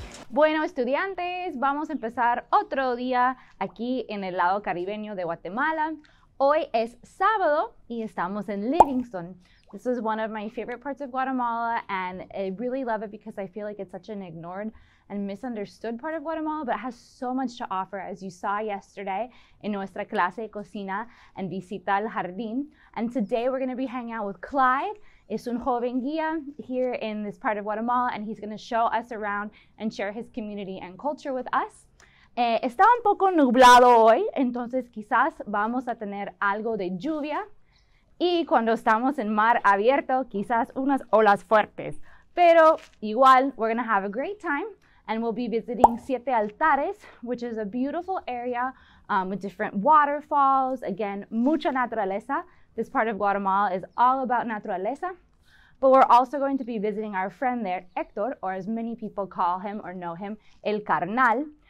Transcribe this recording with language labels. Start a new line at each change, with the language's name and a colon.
Spanish: Bueno, estudiantes, vamos a empezar otro día aquí en el lado caribeño de Guatemala. Hoy es sábado y estamos en Livingston.
English: This is one of my favorite parts of Guatemala, and I really love it because I feel like it's such an ignored and misunderstood part of Guatemala, but it has so much to offer, as you saw yesterday in
Spanish: nuestra clase de cocina en Visita al Jardín.
English: And today we're going to be hanging out with Clyde.
Spanish: Es un joven guía
English: here in this part of Guatemala, and he's going to show us around and share his community and culture with us.
Spanish: Está un poco nublado hoy, entonces quizás vamos a tener algo de lluvia. Y cuando estamos en mar abierto, quizás unas olas fuertes. Pero igual,
English: we're going to have a great time, and we'll be visiting Siete Altares, which is a beautiful area with different waterfalls. Again,
Spanish: mucha naturaleza.
English: This part of Guatemala is all about naturaleza. But we're also going to be visiting our friend there, Hector, or as many people call him or know him, El Carnal.